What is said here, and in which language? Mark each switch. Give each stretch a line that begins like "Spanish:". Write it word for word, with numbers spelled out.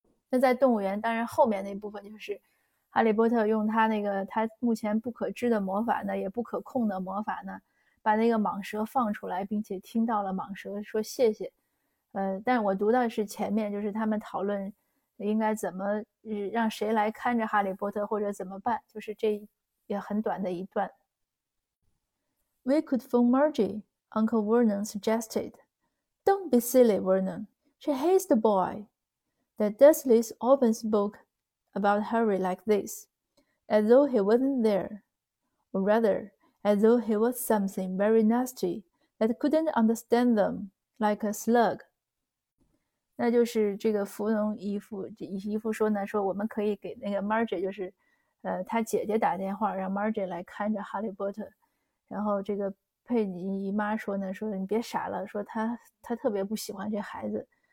Chinese: 那在动物园，当然后面那部分就是哈利波特用他那个他目前不可知的魔法呢，也不可控的魔法呢。把那个蟒蛇放出来，并且听到了蟒蛇说谢谢，呃，但我读到是前面，就是他们讨论应该怎么让谁来看着哈利波特或者怎么办，就是这也很短的一段。
English: We could phone Margie, Uncle Vernon suggested. Don't be silly, Vernon. She hates the boy. The Dursleys often spoke about Harry like this, as though he wasn't there, or rather. As though he was something very nasty that couldn't understand them, like a slug.
Chinese: 那就是这个芙蓉姨父，姨父说呢，说我们可以给那个 Margie， 就是，呃，他姐姐打电话让 Margie 来看着哈利波特。然后这个佩妮姨妈说呢，说你别傻了，说他他特别不喜欢这孩子。